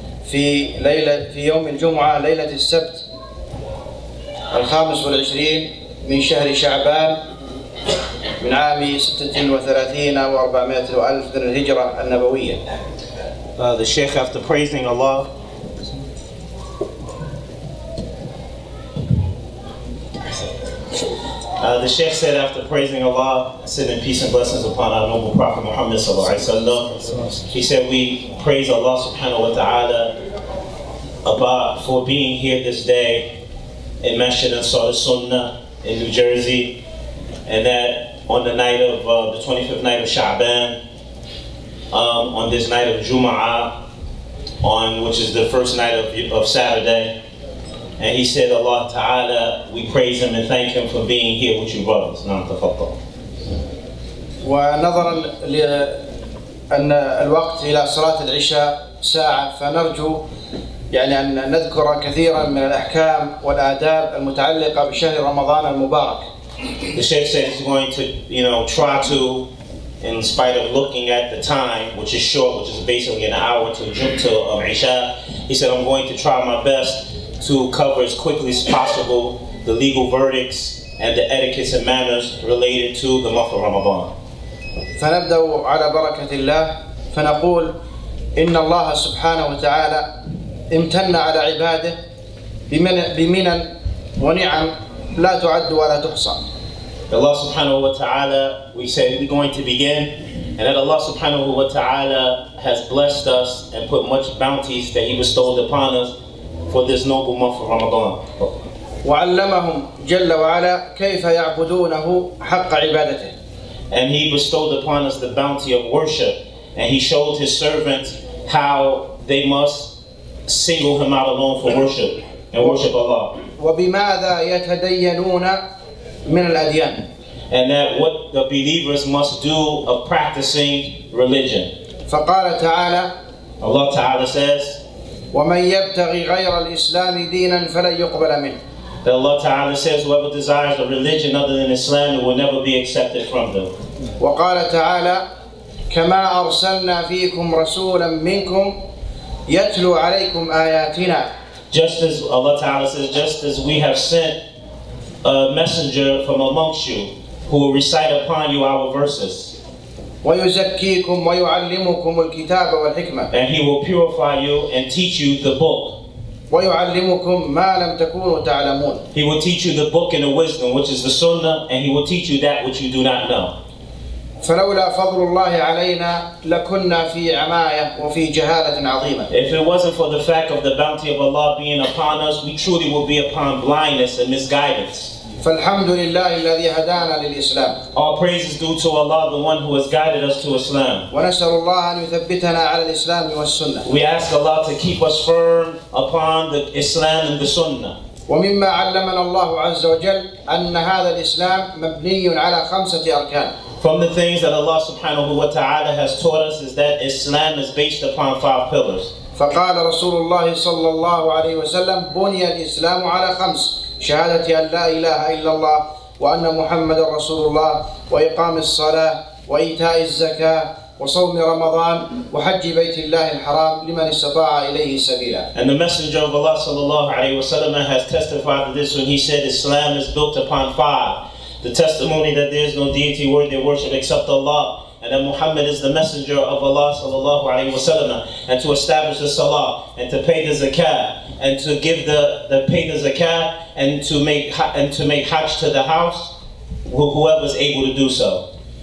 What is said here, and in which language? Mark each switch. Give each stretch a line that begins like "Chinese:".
Arabic: في يوم الجمعة ليلة السبت 25 من شهر شعبان من عام 36,400 من الهجرة النبوية.
English: The Sheikh, after praising Allah, the Sheikh said, after praising Allah, sending peace and blessings upon our noble Prophet Muhammad sallallahu alaihi wasallam, he said, we praise Allah subhanahu wa ta'ala about for being here this day in Masjid Ansar As Sunnah in New Jersey, and that on the night of the 25th night of Sha'ban, on this night of Jumu'ah, which is the first night of Saturday, And he said, Allah Ta'ala, we praise him and thank him for being here with you brothers.
Arabic: Naam tafaddal. ونظرا لأن الوقت إلى صلاة العشاء ساعة فنرجو يعني أن نذكر كثيرا من الأحكام والآداب المتعلقة بشهر رمضان المبارك.
English: The Shaykh said he's going to, you know, try to, in spite of looking at the time, which is short, which is basically an hour to Jumta of Isha, he said, I'm going to try my best to cover as quickly as possible the legal verdicts and the etiquettes and manners related to the month of Ramadan.
Arabic: فنبدأ على بركة الله فنقول إن الله سبحانه وتعالى امتن على عباده بمنن ونعم لا تعد ولا تحصى.
English: Allah subhanahu wa ta'ala, we say we're going to begin, and that Allah subhanahu wa ta'ala has blessed us and put much bounties that He bestowed upon us for this noble month of Ramadan.
Arabic: وعلمهم جل وعلا كيف يعبدونه حق عبادته.
English: And He bestowed upon us the bounty of worship, and He showed His servants how they must single Him out alone for worship and worship Allah.
Arabic: وبماذا يتدينون من الأديان.
English: And that what the believers must do of practicing religion.
Arabic: فقال تعالى.
English: Allah Ta'ala says.
Arabic: ومن يبتغي غير الإسلام دينا فلن يقبل منه.
English: That Allah Ta'ala says, whoever desires a religion other than Islam, it will never be accepted from them.
Arabic: وقال تعالى. كما أرسلنا فيكم رسولا منكم يتلو عليكم آياتنا.
English: Just as Allah Ta'ala says, just as we have sent a messenger from amongst you who will recite upon you our verses.
Arabic: ويزكيكم ويعلمكم الكتاب والحكمة.
English: And He will purify you and teach you the book.
Arabic: ويعلمكم ما لم تكونوا تعلمون.
English: He will teach you the book and the wisdom, which is the sunnah, and He will teach you that which you do not know.
Arabic: فلولا فضل الله علينا لكنا في عماية وفي جهالة عظيمة.
English: If it wasn't for the fact of the bounty of Allah being upon us, we truly would be upon blindness and misguidance.
Arabic: فالحمد لله الذي هدانا للإسلام.
English: All praise is due to Allah, the one who has guided us to Islam.
Arabic: ونسأل الله أن يثبتنا على الإسلام والسنة.
English: We ask Allah to keep us firm upon the Islam and the Sunnah.
Arabic: ومما علمنا الله عز وجل أن هذا الإسلام مبني على خمسة أركان.
English: From the things that Allah subhanahu wa ta'ala has taught us is that Islam is based upon five pillars.
Arabic: فقال رسول الله صلى الله عليه وسلم بني الإسلام على خمس شهادة أن لا إله إلا الله وأن محمد رسول الله وإقام الصلاة وإيتاء الزكاة وصوم رمضان وحج بيت الله الحرام لمن استطاع إليه سبيلا.
English: And the Messenger of Allah صلى الله عليه وسلم has testified to this when he said Islam is built upon five. The testimony that there is no deity worthy of worship except Allah, and that Muhammad is the messenger of Allah sallallahu alaihi wasallam, and to establish the salah, and to pay the zakah, and to give the pay the zakah, and to make hajj to the house, whoever is able to do so.